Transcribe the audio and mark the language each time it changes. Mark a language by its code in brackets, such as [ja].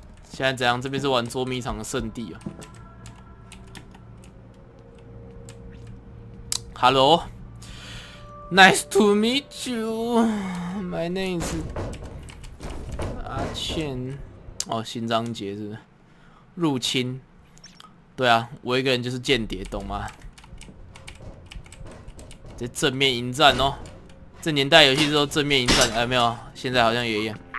[zh] 现在怎样？这边是玩捉迷藏的圣地啊 ！ [en] Hello， nice to meet you. My name is 阿倩。 [zh] 哦，新章节是入侵。对啊，我一个人就是间谍，懂吗？这正面迎战哦，这年代游戏都正面迎战，哎，没有，现在好像也一样。